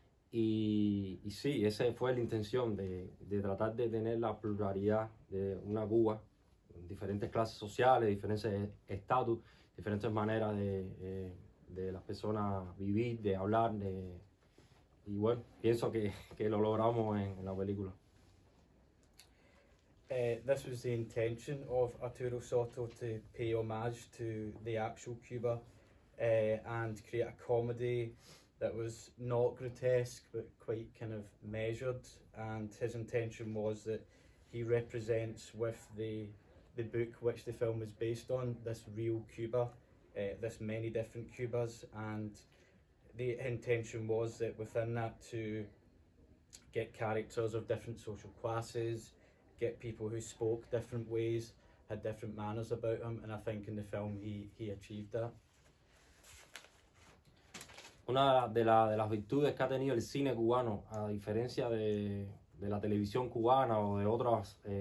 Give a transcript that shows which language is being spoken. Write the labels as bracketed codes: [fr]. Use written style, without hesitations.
[es] y sí, esa fue la intención de tratar de tener la pluralidad de una Cuba, diferentes clases sociales, diferentes estatus, diferentes maneras de las personas vivir, de hablar, y bueno, pienso que lo logramos en la película. [en] This was the intention of Arturo Sotto, to pay homage to the actual Cuba and create a comedy that was not grotesque but quite kind of measured, and his intention was that he represents with the book which the film is based on, this real Cuba, this many different Cubas, and the intention was that within that to get characters of different social classes, get people who spoke different ways, had different manners about them, and I think in the film he achieved that. [es] Una de las virtudes que ha tenido el cine cubano, a diferencia de la televisión cubana o de otras